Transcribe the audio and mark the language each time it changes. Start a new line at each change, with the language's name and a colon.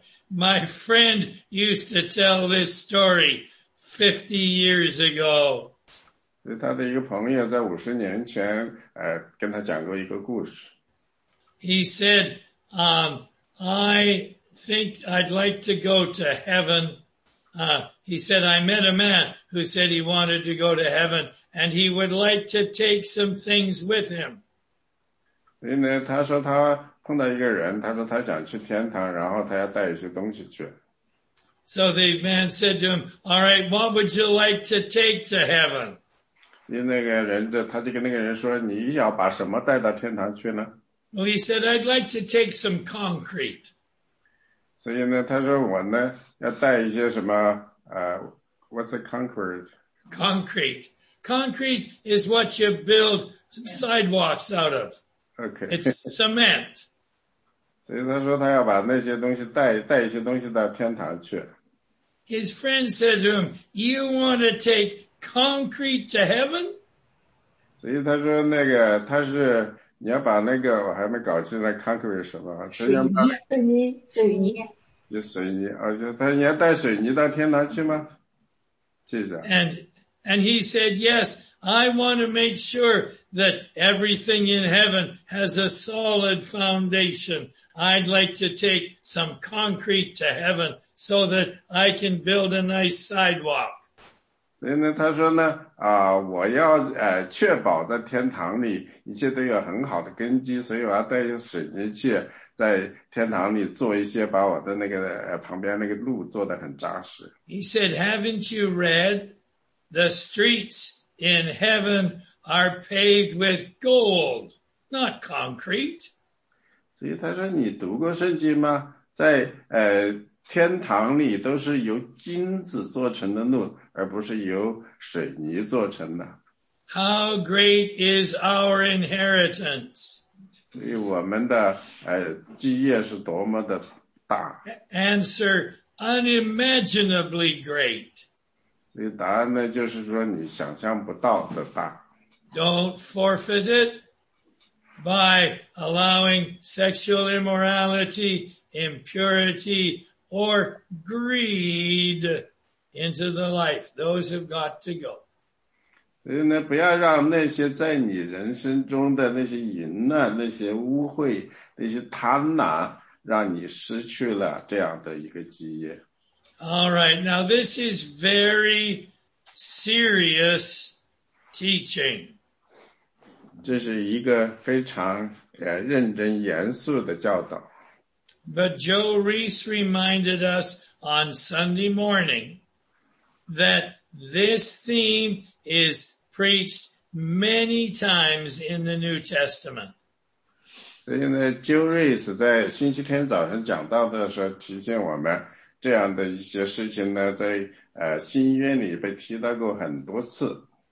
English: My friend used to tell this story 50 years ago.
Chinese: 他的一个朋友在50年前跟他讲过一个故事。
English: He said, I think I'd like to go to heaven. He said, I met a man who said he wanted to go to heaven and he would like to take some things with him.
Chinese: 所以呢，他说他碰到一个人，他说他想去天堂，然后他要带一些东西去。
English: So the man said to him, "All right, what would you like to take to heaven?"
Chinese: 那个人就他就跟那个人说，你要把什么带到天堂去呢
English: ？Well, he said, "I'd like to take some concrete."
Chinese: 所以呢，他说我呢要带一些什么
English: what's the concrete? Concrete. Concrete is what you build sidewalks out of. Okay. It's cement. His friend said to him, you want to take concrete to heaven?
Chinese: 所以他说那个他是你要把那个我还没搞清楚康克是什么，水泥，水泥，就水泥，而且他你要带水泥到天堂去吗？谢谢。
English: And he said, yes, I want to make sure that everything in heaven has a solid foundation. I'd like to take some concrete to heaven so that I can build a nice sidewalk.
Chinese: 所以呢他说呢我要确保在天堂里一切都有很好的根基，所以我要带着水泥去在天堂里做一些，把我的那个旁边那个路做得很扎实。
English: He said, haven't you read? The streets in heaven are paved with gold, not concrete.
Chinese: 所以他说你读过圣经吗？在天堂里都是由金子做成的路，而不是由水泥做成的。
English: How great is our inheritance?
Chinese: 所以我们的基业是多么的大。
English: Answer, unimaginably great.
Chinese: 所以答案呢就是说你想象不到的大。
English: Don't forfeit it by allowing sexual immorality, impurity, or greed into the life. Those have got to go.
Chinese: 所以呢不要让那些在你人生中的那些淫乱、那些污秽、那些贪婪让你失去了这样的一个基业。
English: All right, now this is very serious teaching.
Chinese: 这是一个非常认真严肃的教导。
English: But Joe Reese reminded us on Sunday morning that this theme is preached many times in the New Testament.
Chinese: 所以呢 ,Joe Reese 在星期天早上讲到的时候提醒我们这样的一些事情呢在新约里被提到过很多次。